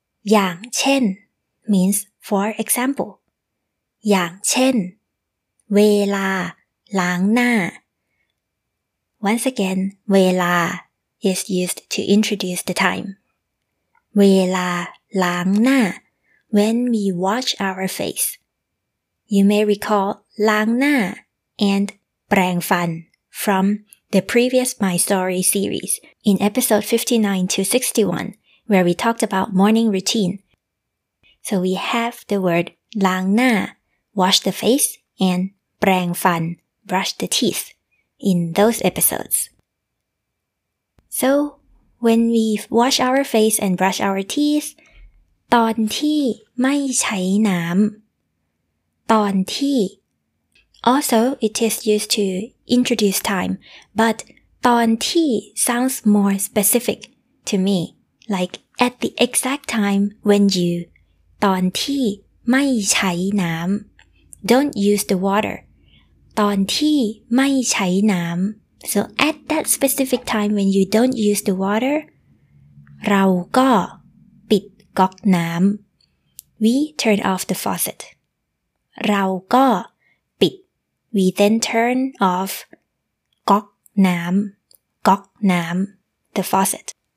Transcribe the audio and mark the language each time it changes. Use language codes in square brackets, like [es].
[en] อย่างเช่น means for example. [th] อย่างเช่นเวลาล้างหน้า [en] Once again, เวลา is used to introduce the time. [th] เวลาล้างหน้า [en] when we wash our face. You may recall ล้างหน้า and แปรงฟัน from the previous My Story series in episode 59 to 61 where we talked about morning routine. So we have the word ล้างหน้า wash the face and แปรงฟัน brush the teeth in those episodes. So when we wash our face and brush our teeth, [th] ตอนที่ไม่ใช้น้ำ [en] ตอนที่ Also, it is used to introduce time, but ตอนที่ sounds more specific to me, like at the exact time when you ตอนที่ไม่ใช้น้ำ Don't use the water. [th] ตอนที่ไม่ใช้น้ำ [en] So at that specific time when you don't use the water, [th] เราก็ปิดก๊อกน้ำ [en] We turn off the faucet. เราก็We then turn off ก๊อกน้ำ ก๊อกน้ำ the faucet.